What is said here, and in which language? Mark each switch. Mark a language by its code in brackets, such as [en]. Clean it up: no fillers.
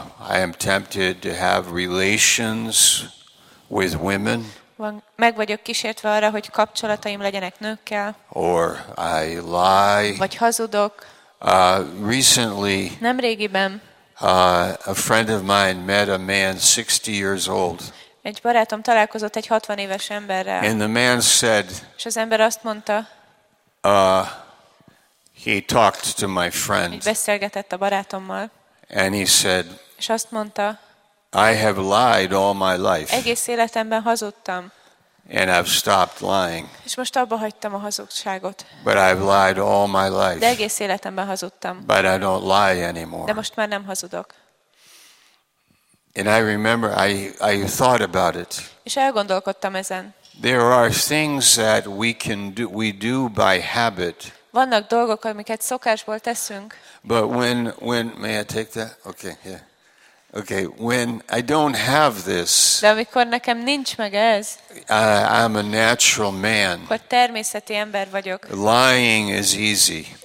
[en] I am tempted to have relations with women. [hu] Meg vagyok kísértve arra, hogy kapcsolataim legyenek nőkkel. [en] Or I lie. [hu] Vagy hazudok. [en] Recently. [hu] Nemrégiben. [en] A friend of mine met a man 60 years old. [hu] Egy barátom találkozott egy 60 éves emberrel. [en] And the man said. [hu] És az ember azt mondta. [en] He talked to my friend. [hu] Beszélgetett a barátommal. [en] And he said, [hu] és azt mondta, [en] I have lied all my life. [hu] Egész életemben hazudtam. [en] And I've stopped lying. [hu] És most abba hagytam a hazugságot. [en] But I've lied all my life. [hu] De egész életemben hazudtam. [en] But I don't lie anymore. [hu] De most már nem hazudok. [en] And I remember I thought about it. [hu] És elgondolkodtam ezen. [en] There are things that we do by habit. [hu] Vannak dolgok, amiket szokásból teszünk. [en] But when may I take that? Okay, yeah. Okay, when I don't have this. [hu] De amikor nekem nincs meg ez. [en] I'm a natural man. [hu] Akkor természeti ember vagyok. [en] Lying is easy.